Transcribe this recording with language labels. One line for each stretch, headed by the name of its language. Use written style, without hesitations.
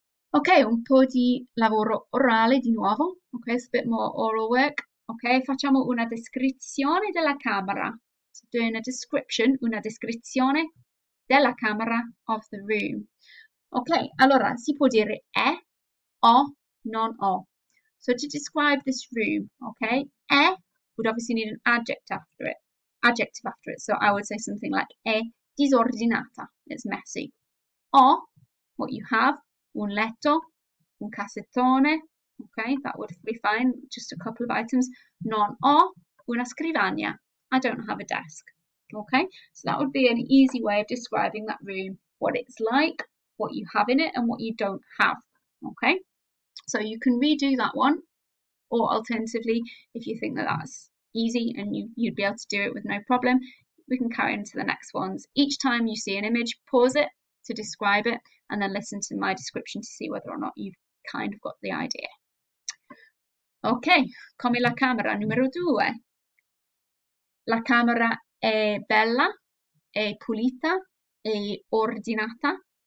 Italian: Ok, un po' di lavoro orale di nuovo.
English: Ok, it's a bit more oral work. Ok,
Italian: facciamo una descrizione della camera.
English: So doing a description,
Italian: una descrizione della camera
English: of the room.
Italian: Ok, allora si può dire è, o, non ho.
English: So to describe this room, okay, è would obviously need an adjective after it. So I would say something like
Italian: è disordinata,
English: it's messy. O, what you have, un letto, un cassettone, okay, that would be fine, just a couple of items.
Italian: Non ho una scrivania,
English: I don't have a desk, okay? So that would be an easy way of describing that room, what it's like, what you have in it, and what you don't have, okay? So you can redo that one, or alternatively, if you think that that's easy and you'd be able to do it with no problem, we can carry into the next ones. Each time you see an image, pause it to describe it and then listen to my description to see whether or not you've kind of got the idea.
Italian: Okay, come la camera numero due. La camera è bella, è pulita, è ordinata.